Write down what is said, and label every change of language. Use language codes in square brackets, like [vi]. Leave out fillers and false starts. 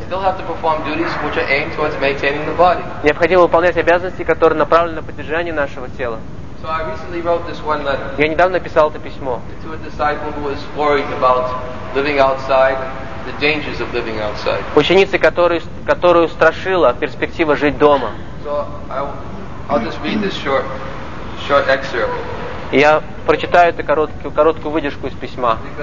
[en] Still have to perform duties which are aimed towards maintaining the body. [ru] Необходимо выполнять обязанности, которые направлены на поддержание нашего тела. [en] So I recently wrote this one letter. [ru] Я недавно писал это письмо. [en] To a disciple who was worried about living outside, the dangers of living outside. [ru] Ученице, которую страшила перспектива жить дома. [en] So I'll just read this short excerpt. [ru] Я прочитаю эту короткую выдержку из письма.